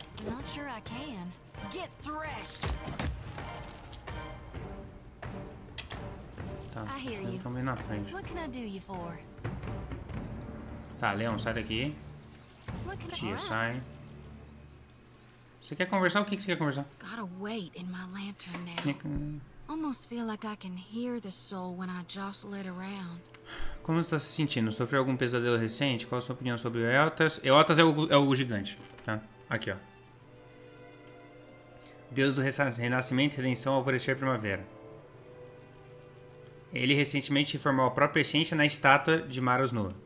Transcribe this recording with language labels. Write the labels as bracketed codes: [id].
[en] Not sure I can. Get thrashed. [pt] Tá. [en] I hear you. [pt] Tá meio na frente. [en] What can I do you for? [pt] Tá, Leon, sai daqui. Tia, sai. Você quer conversar? O que você quer conversar? [en] Gotta wait in my lantern now. Almost feel like I can hear the soul when I jostle it around. [pt] Como você está se sentindo? Sofreu algum pesadelo recente? Qual a sua opinião sobre o Eotas? Eotas é o gigante, tá? Aqui, ó. Deus do Renascimento, Redenção, Alvorecer e Primavera. Ele recentemente reformou a própria essência na estátua de Maros Nua.